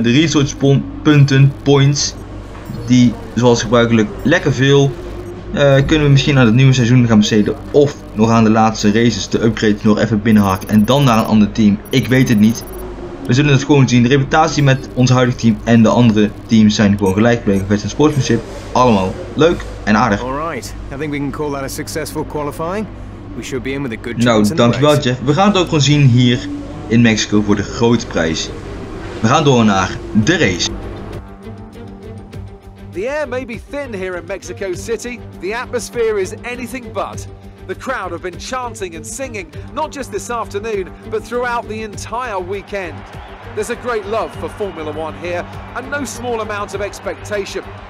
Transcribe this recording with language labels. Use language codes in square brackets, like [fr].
[nl] De research punten, points. Die zoals gebruikelijk lekker veel. Kunnen we misschien aan het nieuwe seizoen gaan besteden. Of nog aan de laatste races de upgrade nog even binnenhakken. En dan naar een ander team. Ik weet het niet. We zullen het gewoon zien. De reputatie met ons huidige team en de andere teams zijn gewoon gelijk gebleven. Best een sportsmanship. Allemaal leuk en aardig. [en] Alright, I think we can call that a successful qualifying. We should be in with a good chance. [nl] Nou, dankjewel Jeff. We gaan het ook gewoon zien hier in Mexico voor de grote prijs. We gaan door naar de race. [en] The air may be thin here in Mexico City. The atmosphere is anything but. The crowd have been chanting and singing, not just this afternoon, but throughout the entire weekend. There's a great love for Formula One here, and no small amount of expectation.